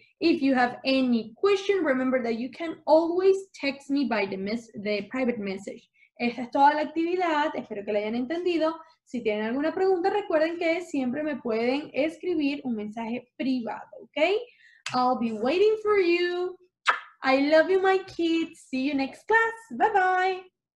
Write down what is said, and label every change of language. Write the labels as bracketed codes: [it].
[en] If you have any question, remember that you can always text me by the private message. [es] Esta es toda la actividad, espero que la hayan entendido. Si tienen alguna pregunta, recuerden que siempre me pueden escribir un mensaje privado, ¿ok? [en] I'll be waiting for you. I love you, my kids. See you next class. Bye-bye.